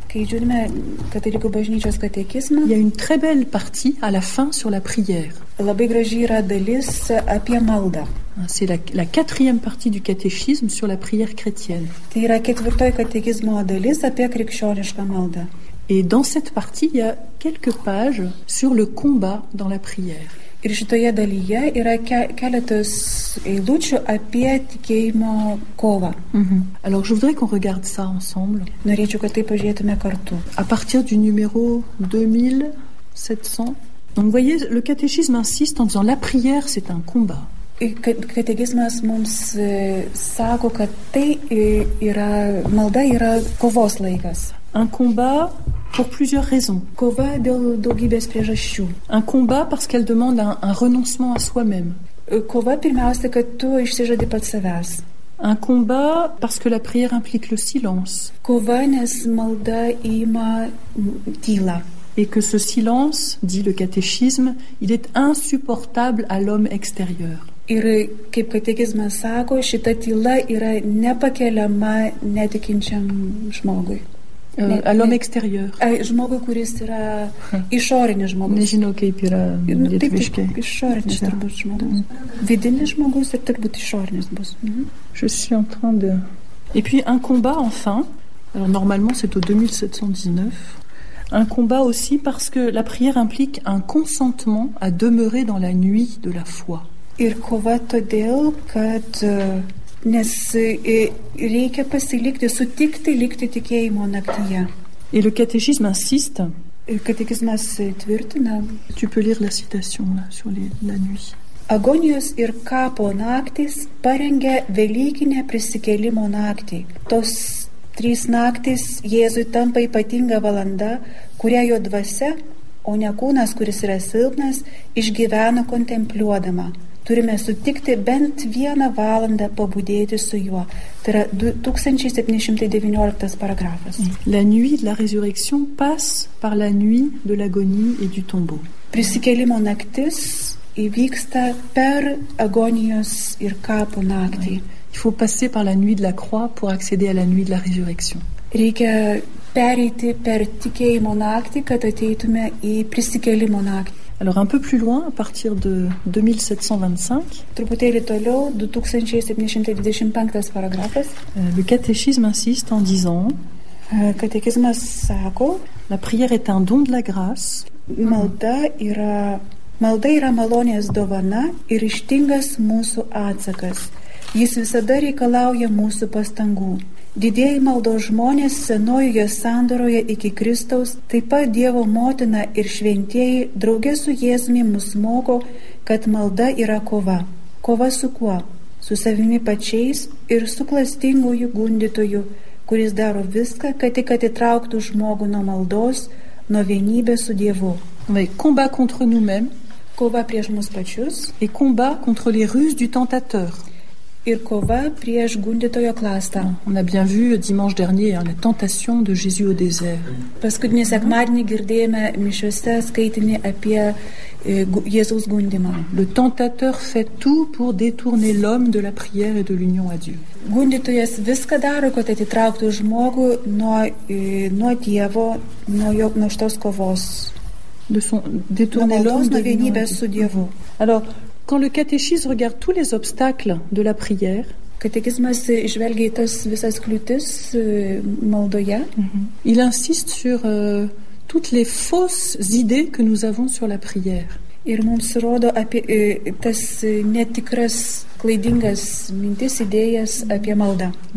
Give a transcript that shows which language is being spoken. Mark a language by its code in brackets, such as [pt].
[lt] kai žiūrime katalikų bažnyčios katekizmą, [fr] il y a une très belle partie à la fin sur la prière. [lt] Labai graži yra dalis apie maldą. [fr] C'est la quatrième partie du catéchisme sur la prière chrétienne. [lt] Tai yra ketvirtoji katekizmo dalis apie krikščionišką maldą. [fr] Et dans cette partie, il y a quelques pages sur le combat dans la prière. [lt] Ir šitoje dalyje yra keletas eilučių apie tikėjimo kovą. Mm-hmm. [fr] Alors, je voudrais qu'on regarde ça ensemble. [lt] Norėčiau, kad tai pažiūrėtume kartu. [fr] À partir du numéro 2700. Donc, voyez, le catéchisme insiste en disant « la prière, c'est un combat ». [lt] Katekizmas mums sako, kad tai yra, malda yra kovos laikas. [fr] Un combat pour plusieurs raisons. [lt] Kova dėl daugybės priežasčių. [fr] Un combat parce qu'elle demande un renoncement à soi-même. [lt] Kova pirmiausia, kad tu išsižadi pats savęs. [fr] Un combat parce que la prière implique le silence. [lt] Kova, nes malda ima tylą. [fr] Et que ce silence, dit le catéchisme, il est insupportable à l'homme extérieur. [lt] Ir kaip katekizmas sako, šita tyla yra nepakeliama netikinčiam žmogui. [fr] À l'homme extérieur. [lt] Žmogui, kuris yra išorinis žmogus. Nežinau, kaip yra lietuviškai. Taip, išorinis turbūt žmogus. Vidinis žmogus ir turbūt išorinis bus. [fr] Je suis en train de... Et puis un combat, enfin... Alors normalement, c'est au 2719. Un combat aussi parce que la prière implique un consentement à demeurer dans la nuit de la foi. [lt] Ir kova todėl, kad nes reikia pasilikti, sutikti likti tikėjimo naktyje. [fr] Et le catéchisme insiste. Le catéchisme [lt] tvirtina. [fr] Tu peux lire la citation là sur la nuit. [lt] Agonijos ir kapo naktis parengė velykinę prisikėlimo naktį. Tos trys naktys Jėzui tampa ypatinga valanda, kurią jo dvasia, o ne kūnas, kuris yra silpnas, išgyvena kontempliuodama. Turime sutikti bent vieną valandą pabudėti su juo. Tai yra 1719 paragrafas. [fr] La nuit de la résurrection passe par la nuit de l'agonie et du tombeau. [lt] Prisikėlimo naktis įvyksta per agonijos ir kapo naktį. [fr] Il faut passer par la nuit de la croix pour accéder à la nuit de la résurrection. [lt] Reikia pereiti per tikėjimo naktį, kad ateitume į prisikėlimo naktį. [fr] Alors un peu plus loin, à partir de 2725, le catéchisme insiste en disant la prière est un don de la grâce. [lt] Malda yra malonės dovana ir ištingas mūsų atsakas. Jis visada reikalauja mūsų pastangų. Didieji maldo žmonės senojoje sandoroje iki Kristaus, taip pat Dievo motina ir šventieji, drauge su Jėzumi mus moko, kad malda yra kova. Kova su kuo? Su savimi pačiais ir su klastingųjų gundytojų, kuris daro viską, kad tik atitrauktų žmogų nuo maldos, nuo vienybės su Dievu. [fr] Mais combat contre nous-mêmes. [lt] Kova prieš mus pačius. [fr] Et combat contre les ruses du tentateur. [lt] Ir kova prieš gundytojo klastą. [fr] On a bien vu dimanche dernier la tentation de Jésus au désert. [lt] Paskutinį sekmadienį girdėjome mišiose skaitinį apie Jėzaus gundymą. [fr] Le tentateur fait tout pour détourner l'homme de la prière et de l'union à Dieu. [lt] Gundytojas viską daro, kad atitrauktų žmogų nuo Dievo, nuo šitos kovos. [fr] De son détourner l'homme de l'unité avec Dieu. Alors, quand le catéchisme regarde tous les obstacles de la prière, [lt] catéchismas žvelgia tas visas kliūtis maldoje. [fr] Il insiste sur toutes les fausses idées que nous avons sur la prière. [lt] Ir mums rodo apie tas netikras klaidingas mintis idėjas apie maldą.